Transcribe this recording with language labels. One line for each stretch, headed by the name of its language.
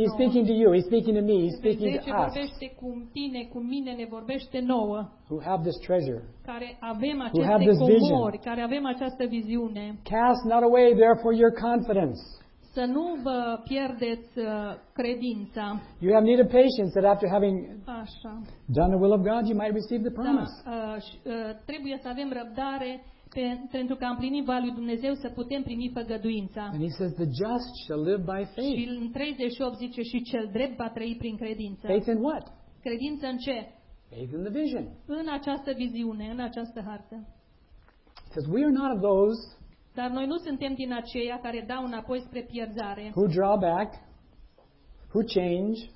English: He's speaking to you, he's speaking to me, he's speaking to us.
Romanian: Evrei 10 vorbește cu tine, cu mine, ne vorbește nouă.
English: Who have this treasure?
Romanian: Care avem aceste comori, care avem această viziune.
English: Cast not away therefore your confidence.
Romanian: Să nu vă pierdeți credința.
English: You have need of patience that after having done the will of God you might receive the promise.
Romanian: Trebuie să avem răbdare pentru că împlinim voia lui Dumnezeu să putem primi făgăduința.
English: And he says the just shall live by faith.
Romanian: Și în 38 zice și cel drept va trăi prin credință.
English: Faith in what?
Romanian: Credință în ce?
English: Faith in the vision.
Romanian: În această viziune, în această hartă.
English: Because we are not of those.
Romanian: Dar noi nu suntem din aceia care dau înapoi spre pierzare.
English: Who draw back? Who change?